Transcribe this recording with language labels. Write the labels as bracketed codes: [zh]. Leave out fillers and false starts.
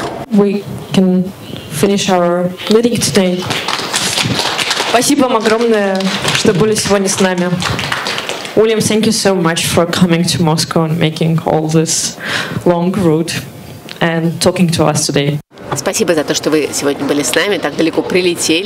[en] We can finish our meeting today. [ru] Спасибо вам огромное, что были сегодня с нами. [en] William, thank you so much for coming to Moscow and making all this long route and talking to us today. [ru] Спасибо за то, что вы сегодня были с нами, так далеко прилетели.